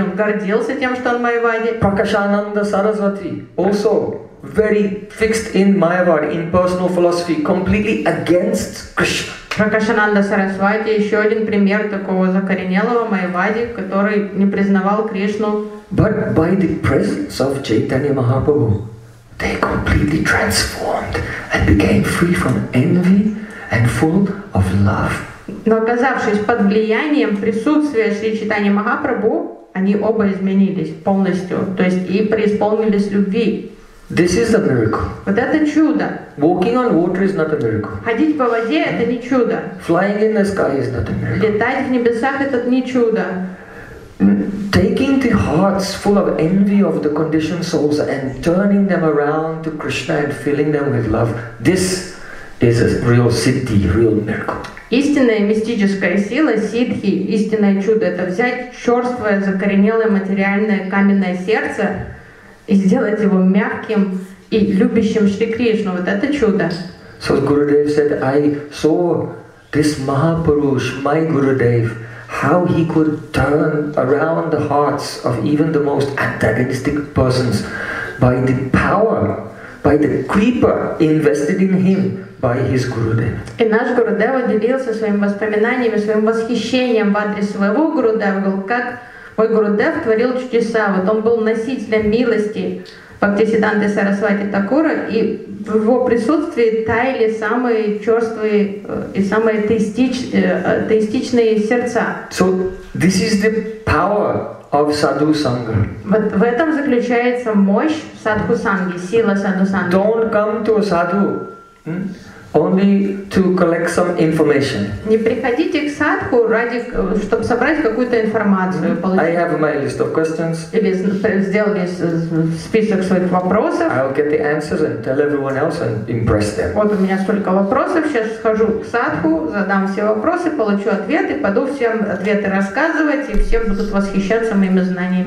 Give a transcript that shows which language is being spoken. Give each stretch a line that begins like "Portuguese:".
Russian: Он гордился тем, что он Майавади.
English: Пракашананда Сарасвати, also very fixed in Mayavadi, in personal philosophy, completely against Krishna.
Russian: Пракашананда Сарасвати — еще один пример такого закоренелого Майавади, который не признавал Кришну.
English: But by the presence of Chaitanya Mahaprabhu, they completely transformed and became free from envy and full of love.
Russian: Но оказавшись под влиянием присутствия Шри Чайтаньи Махапрабху, они оба изменились полностью, то есть и преисполнились любви.
English: This is a miracle.
Russian: Вот это чудо.
English: Walking on water is not a miracle.
Russian: Ходить по воде — это не чудо.
English: Flying in the sky is not a miracle.
Russian: Летать в небесах — это не чудо.
English: Taking the hearts full of envy of the conditioned souls and turning them around to Krishna and filling them with love, this is a real siddhi, real miracle.
Russian: Истинная мистическая сила, сиддхи, истинное чудо — это взять черствое, закоренелое, материальное, каменное сердце и сделать его мягким и любящим Шри Кришну. Вот это чудо.
English: So Gurudev said, I saw this Mahapurush, my Gurudev, how he could turn around the hearts of even the most antagonistic persons by the power, by the kripa invested in him by his Gurudev.
Russian: И наш Гурудева делился своими воспоминаниями, своим восхищением в адрес своего Гурудева, как мой Гурудев творил чудеса. Вот он был носителем милости Бхактисиддханты Сарасвати Такура, и в его присутствии таяли самые черствые и самые атеистичные сердца.
English: So this is the power of sadhu sangha.
Russian: Вот в этом заключается мощь садху санги, сила садху санги.
English: Don't come to a sadhu Only to collect some information.
Russian: Не приходите к садху ради, чтобы собрать какую-то информацию.
English: Mm-hmm. I have my list of questions.
Russian: Или сделали список своих вопросов.
English: I'll get the answers and tell everyone else and impress them.
Russian: Вот у меня столько вопросов. Сейчас схожу к садху, задам все вопросы, получу ответы, пойду всем ответы рассказывать, и все будут восхищаться моими знаниями.